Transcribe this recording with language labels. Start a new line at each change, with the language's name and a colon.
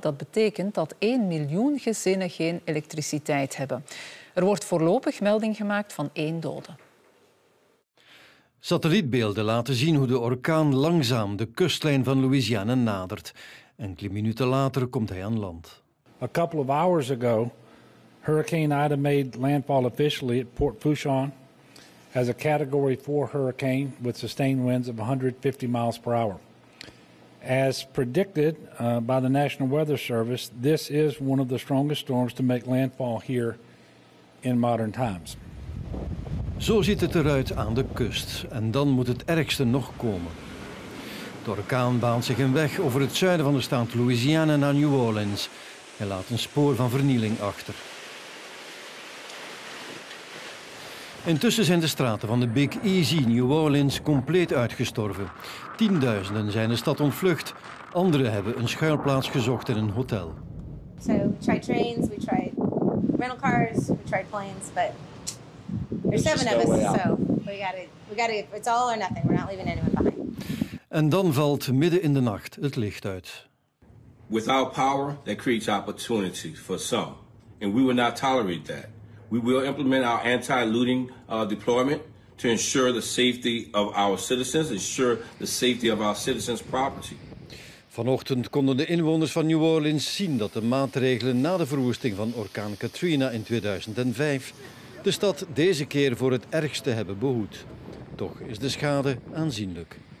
Dutch: Dat betekent dat 1 miljoen gezinnen geen elektriciteit hebben. Er wordt voorlopig melding gemaakt van 1 dode. Satellietbeelden laten zien hoe de orkaan langzaam de kustlijn van Louisiana nadert. Enkele minuten later komt hij aan land.
English: A couple of hours ago, Hurricane Ida made landfall officially at Port Fouchon as a Category 4 hurricane with sustained winds of 150 miles per hour. As predicted by the National Weather Service, this is one of the strongest storms to make landfall here in modern times.
Dutch: Zo ziet het eruit aan de kust, en dan moet het ergste nog komen. De orkaan baant zich een weg over het zuiden van de staat Louisiana naar New Orleans. Hij laat een spoor van vernieling achter. Intussen zijn de straten van de Big Easy New Orleans compleet uitgestorven. Tienduizenden zijn de stad ontvlucht. Anderen hebben een schuilplaats gezocht in een hotel.
English: So we tried trains, we tried rental cars, we tried planes, but there's 7 of us, so we gotta it's all or nothing. We're not leaving anyone behind.
Dutch: En dan valt midden in de nacht het licht uit.
English: Without power, that creates opportunity for some. And we will not tolerate that. We will implement our anti-looting deployment to ensure the safety of our citizens, ensure the safety of our citizens' property.
Dutch: Vanochtend konden de inwoners van New Orleans zien dat de maatregelen na de verwoesting van orkaan Katrina in 2005 de stad deze keer voor het ergste hebben behoed. Toch is de schade aanzienlijk.